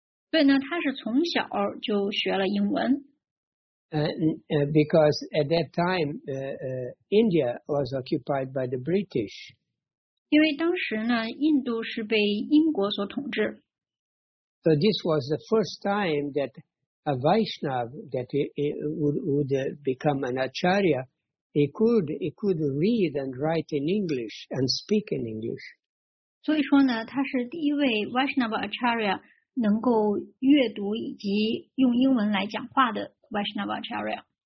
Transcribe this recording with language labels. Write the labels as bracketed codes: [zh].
[zh] 对呢，他是从小就学了英文。 [en] Because at that time, India was occupied by the British. [zh] 因为当时呢，印度是被英国所统治。 [en] So this was the first time that a Vaishnava that would become an Acharya, he could read and write in English and speak in English. [zh] 所以说呢，他是第一位 Vaishnava Acharya 能够阅读以及用英文来讲话的 Vaishnava Acharya.